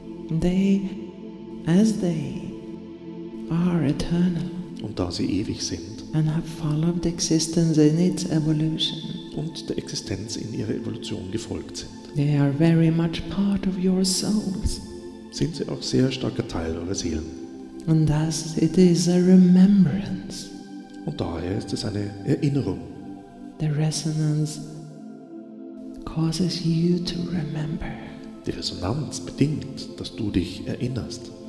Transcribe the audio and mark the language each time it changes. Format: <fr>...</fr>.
<en>They, as they are eternal.</en> <de>Und da sie ewig sind.</de> <en>And have followed existence in its evolution.</en> <de>Und der Existenz in ihrer Evolution gefolgt sind.</de> <en>They are very much part of your souls.</en> <de>Sind sie auch sehr starker Teil eurer Seelen.</de> <en>And thus it is a remembrance.</en> <de>Und daher ist es eine Erinnerung.</de> <en>The resonance causes you to remember.</en> <de>Die Resonanz bedingt, dass du dich erinnerst.</de>